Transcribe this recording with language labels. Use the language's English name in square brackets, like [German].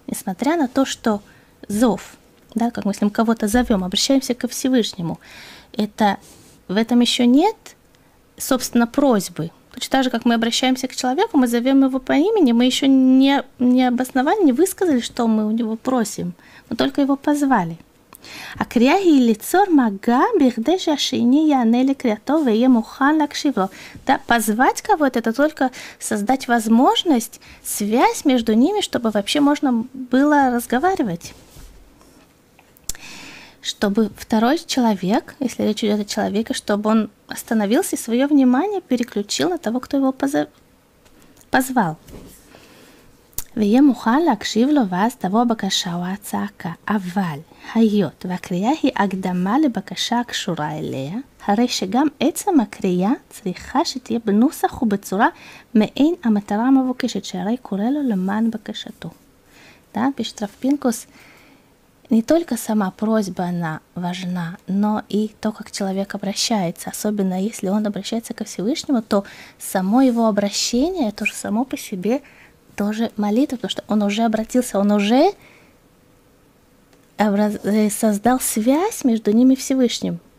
[Russian] Несмотря на то, что зов, да, как мы с ним кого-то зовем, обращаемся ко Всевышнему. Это в этом еще нет, собственно, просьбы. Точно так же, как мы обращаемся к человеку, мы зовем его по имени, мы еще не обосновали, не высказали, что мы у него просим. Мы только его позвали. [Hebrew] הקריאה היא ליצור מגע בכדי שהשני יענה לקריאתו ויהיה מוכן להקשיב לו. [Russian] Да, позвать кого-то, это только создать возможность, связь между ними, чтобы вообще можно было разговаривать. Чтобы второй человек, если речь идет о человеке, чтобы он остановился и свое внимание переключил на того, кто его позвал. [Hebrew] ויהיה מוכן להקשיב לו ואז תבוא בקשה או הצעקה. אבל היות והקריאה היא הקדמה לבקשה הקשורה אליה, הרי שגם עצם הקריאה צריכה שתהיה בנוסח ובצורה מעין המטרה המבוקשת, שהרי קורא לו למען בקשתו. [Russian] Да, пишет Рав Пинкус, не только сама просьба она важна, но и то, как человек обращается, особенно если он обращается ко Всевышнему, то само его обращение, это же само по себе тоже молитва, потому что он уже обратился, он уже создал связь между ним и Всевышним.